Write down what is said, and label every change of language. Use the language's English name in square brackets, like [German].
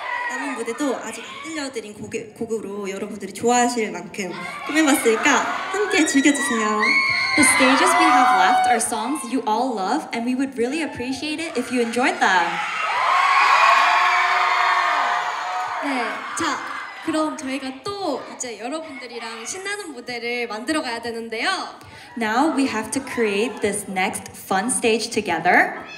[Korean] 남은 무대도 아직 안 들려드린 곡으로 여러분들이 좋아하실 만큼 꾸며봤으니까 함께 즐겨주세요. [English] The stages we have left are songs you all love and we would really appreciate it if you enjoyed them. [Korean] 네, 자 그럼 저희가 또 이제 여러분들이랑 신나는 무대를 만들어 가야 되는데요. [English] Now we have to create this next fun stage together.